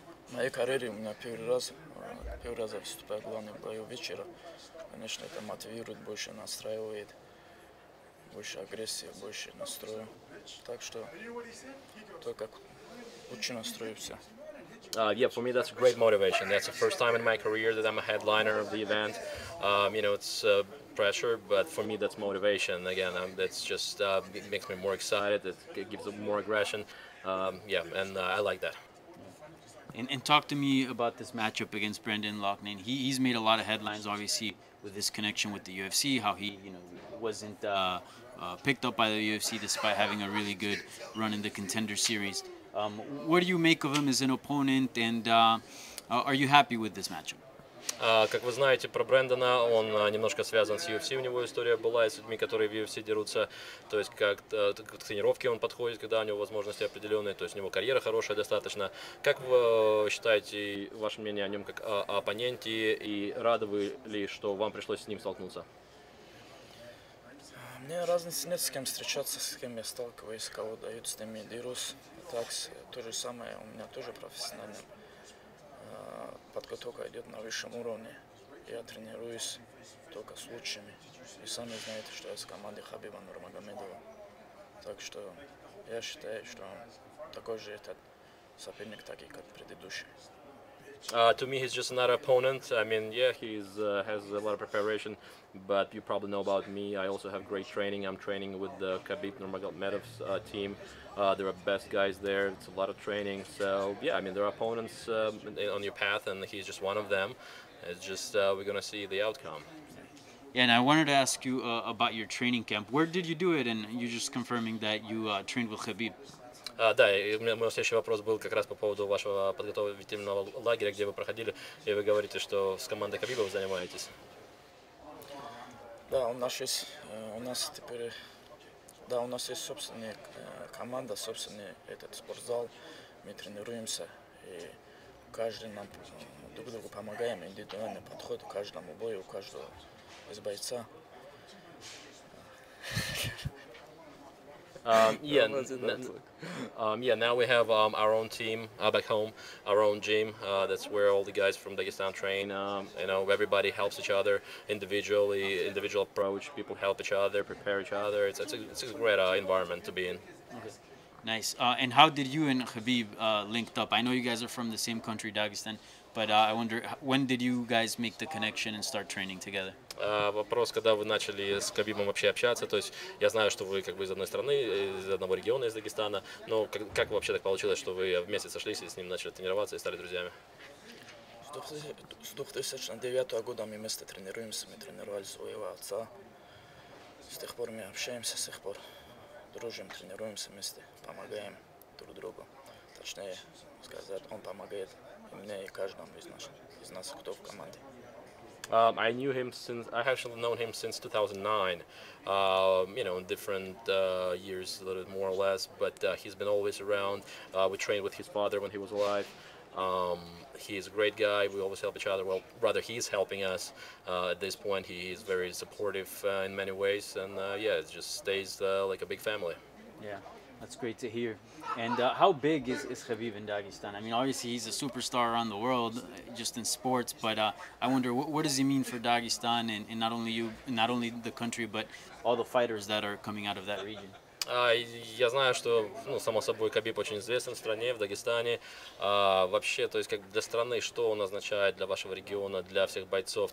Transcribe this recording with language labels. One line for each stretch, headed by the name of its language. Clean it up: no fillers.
Russian: В моей карьере у меня первый раз выступаю в главный бой вечера. Конечно, это мотивирует, больше настраивает, больше агрессии, больше настроя. Так что только лучше настроиться.
English: Yeah, for me that's great motivation. That's the first time in my career that I'm a headliner of the event. You know, it's pressure, but for me that's motivation. Again, that's just it makes me more excited. It gives more aggression. I like that. And talk to me about this matchup against Brendan Loughnane. He's made a lot of headlines, obviously, with his connection with the UFC. How he, you know, wasn't picked up by the UFC despite having a really good run in the Contender Series. What do you make of him as an opponent, and are you happy with this matchup?
Russian: Как вы знаете, про Брэндона, он немножко связан с UFC, у него история была, и с людьми, которые в UFC дерутся, то есть как к тренировке он подходит, когда у него возможности определенные, то есть у него карьера хорошая достаточно. Как вы считаете ваше мнение о нем как о оппоненте, и рады вы ли, что вам пришлось с ним столкнуться? Мне разницы нет, с кем встречаться, с кем я сталкиваюсь, кого дают, с ними дерусь. Так, то же самое, у меня тоже профессиональная подготовка идет на высшем уровне. Я тренируюсь только с лучшими. И сами знаете, что я с командой Хабиба Нурмагомедова. Так что я считаю, что такой же этот соперник, так и как предыдущий.
English: To me, he's just another opponent. I mean, yeah, he's has a lot of preparation, but you probably know about me. I also have great training. I'm training with the Khabib Nurmagomedov's team. They're the best guys there. It's a lot of training. So, yeah, I mean, there are opponents on your path, and he's just one of them. It's just we're going to see the outcome. Yeah, and I wanted to ask you about your training camp. Where did you do it? And you're just confirming that you trained with Khabib.
Russian: Да, и у меня мой следующий вопрос был как раз по поводу вашего подготовительного лагеря, где вы проходили, и вы говорите, что с командой Хабиба вы занимаетесь. Да, у нас есть собственная команда, собственный этот спортзал, мы тренируемся, и каждый нам друг другу помогаем, индивидуальный подход к каждому бою, у каждого из бойца.
English: Now we have our own team back home, our own gym. That's where all the guys from Dagestan train. You know, everybody helps each other individually, individual approach. People help each other, prepare each other. It's a great environment to be in. Okay. Nice. And how did you and Khabib linked up? I know you guys are from the same country, Dagestan. But I wonder, when did you guys make the connection and start training together?
Russian: Вопрос, когда вы начали с Хабибом вообще общаться, то есть я знаю, что вы как бы из одной страны, из одного региона, из Дагестана, но как вообще так получилось, что вы вместе сошлись и с ним начали тренироваться и стали друзьями? С 2009 года мы вместе тренируемся, мы тренировались у его отца. С тех пор мы общаемся, с тех пор дружим, тренируемся вместе, помогаем друг другу. Точнее сказать, он помогает мне и каждому из нас, кто в команде.
English: I knew him since, I actually known him since 2009, you know, in different years, a little bit more or less, but he's been always around. We trained with his father when he was alive. He's a great guy. We always help each other. Well, rather, he's helping us at this point. He's very supportive in many ways, and it just stays like a big family. Yeah, that's great to hear. And how big is Khabib in Dagestan? I mean, obviously he's a superstar around the world, just in sports. But I wonder, what does he mean for Dagestan and not only you, not only the country, but all the fighters that are coming out of that region?
Russian: Я знаю, что, ну, само собой, Хабиб очень известен в стране, в Дагестане. Вообще, то есть, как для страны, что он означает для вашего региона, для всех бойцов?